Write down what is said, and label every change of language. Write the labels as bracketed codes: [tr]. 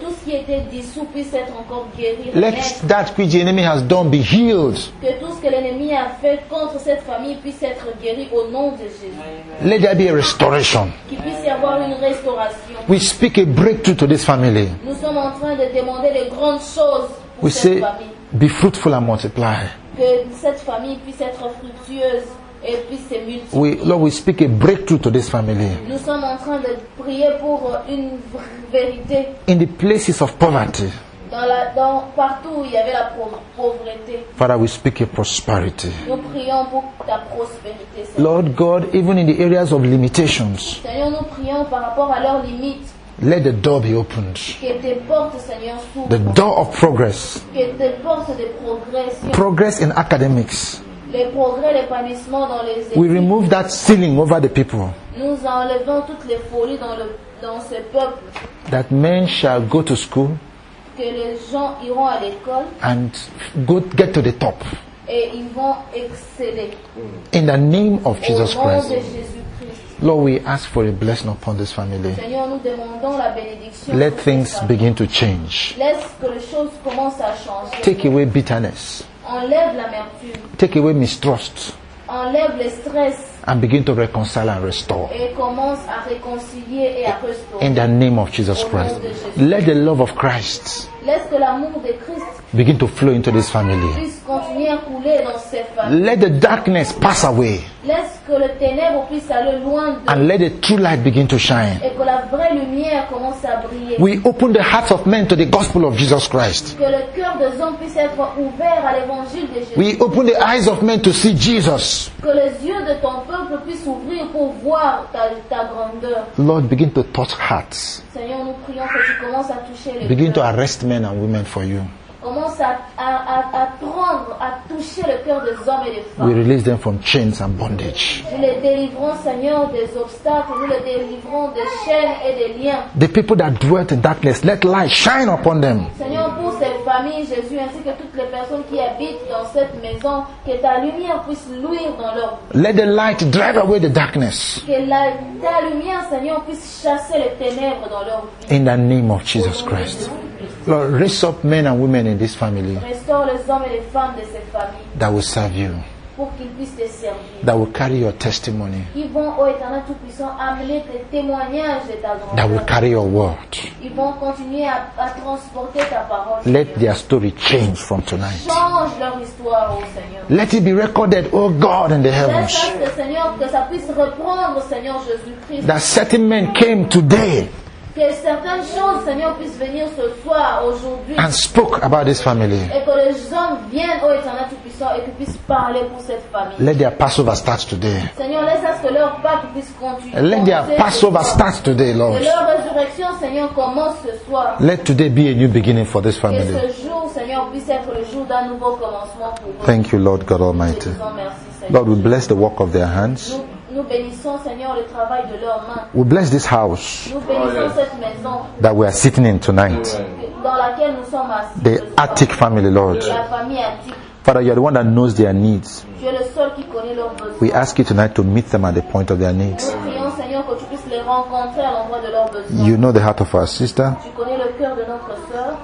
[fr] qui était dissous puisse être encore guéri. [en] Let that which the enemy has done be healed. [fr] Que tout ce que l'ennemi a fait contre cette famille puisse être guéri au nom de Jésus. [en] Let there be a restoration. [fr] Qu'il puisse y avoir une restauration. [en] We speak a breakthrough to this family. [fr] Nous sommes en train de demander des grandes choses pour [en] we [fr] cette [en] say, [fr] famille. [en] Be fruitful and multiply. [fr] Que cette famille puisse être fructueuse. [en] We, Lord, we speak a breakthrough to this family. [fr] Nous sommes en train de prier pour une vérité. [en] In the places of poverty. [fr] Dans partout où il y avait la pauvreté. [en] Father, we speak a prosperity. [fr] Nous prions pour ta prospérité. [en] Lord God, even in the areas of limitations. [fr] Seigneur, nous prions par rapport à leurs limites. [en] Let the door be opened. The door of progress. [fr] Que tes portes de progrès. [en] Progress in academics. [fr] Les progrès, l'épanouissement dans les églises. [en] We remove that ceiling over the people. [fr] Nous enlevons toutes les folies dans ce peuple. [en] That men shall go to school. [fr] Que les gens iront à l'école. [en] And go get to the top. [fr] Et ils vont exceller. [en] In the name of Jesus Christ. [fr] Au nom de Jésus-Christ. [en] Lord, we ask for a blessing upon this family. [fr] Seigneur, nous demandons la bénédiction. [en] Let things begin to change. [fr] Laisse que les choses commencent à changer. [en] Take away bitterness. [fr] Enlève l'amertume. [en] Take away mistrust. [fr] Enlève le stress. [en] And begin to reconcile and restore. [fr] Et commence à réconcilier et à restaurer. [en] In the name of Jesus Christ. Let the love of Christ. [fr] Laisse que l'amour de Christ. [en] Begin to flow into this family. [fr] Puisse continuer à couler dans cette famille. [en] Let the darkness pass away. [fr] Laisse que le ténèbre puisse aller loin. [en] And let the true light begin to shine. [fr] Et que la vraie lumière commence à briller. [en] We open the hearts of men to the gospel of Jesus Christ. [fr] Que le cœur des hommes puisse être ouvert à l'évangile de Jésus. [en] We open the eyes of men to see Jesus. [fr] Que les yeux de ton peuple puisse ouvrir pour voir ta grandeur. [en] Lord, begin to touch hearts. [fr] Seigneur, nous prions que tu commences à toucher les [en] begin [fr] cœurs. [en] To arrest men and women for you. [fr] Commence à prendre, à toucher le cœur des hommes et des femmes. [en] We release them from chains and bondage. [fr] Nous les délivrons, Seigneur, des obstacles. Nous les délivrons des chaînes et des liens. [en] The people that dwell in darkness, let light shine upon them. [fr] Seigneur, pour ces familles, Jésus, ainsi que toutes les personnes qui habitent dans cette maison, que ta lumière puisse luire dans leur vie. [en] Let the light drive away the darkness. [fr] Que ta lumière, Seigneur, puisse chasser les ténèbres dans leur vie. [en] In the name of Jesus Christ. Lord, raise up men and women in this family. [fr] Restore les hommes et les femmes de cette famille. [en] That will serve you. [fr] Pour qu'ils puissent te servir. [en] That will carry your testimony. [fr] Ils vont au Éternel Tout-Puissant amener tes témoignages de ta grandeur. [en] That will carry your word. [fr] Ils vont continuer à transporter ta parole. [en] Let their story change from tonight. [fr] Change leur histoire, oh Seigneur. [en] Let it be recorded, oh God, in the heavens. [fr] Laisse le Seigneur que ça puisse reprendre, Seigneur Jésus-Christ. [en] That certain men came today. [fr] Que certaines choses, Seigneur, puissent venir ce soir, aujourd'hui. [en] And spoke about this family. [fr] Et que les hommes viennent au Éternel Tout-Puissant et qu'ils puissent parler pour cette famille. [en] Let their Passover start today. [fr] Seigneur, laisse à ce que leur Pâque puisse continuer. [en] Let their Passover start today, Lord. [fr] Que leur résurrection, Seigneur, commence ce soir. [en] Let today be a new beginning for this family. [fr] Que ce jour, Seigneur, puisse être le jour d'un nouveau commencement pour eux. [en] Thank you, Lord God Almighty. Lord, we bless the work of their hands. [fr] Nous bénissons, Seigneur, le travail de leurs mains. [en] We bless this house. [fr] Nous bénissons cette maison. [en] That we are sitting in tonight. [fr] Dans laquelle nous sommes assis. [en] The Attic family, Lord. [fr] La famille Attic. [en] Father, you are the one that knows their needs. [fr] Tu es le seul qui connaît leurs besoins. [en] We ask you tonight to meet them at the point of their needs. [fr] Nous prions, Seigneur, que tu puisses les rencontrer à l'endroit de leurs besoins. [en] You know the heart of our sister. [fr] Tu connais le cœur de notre sœur.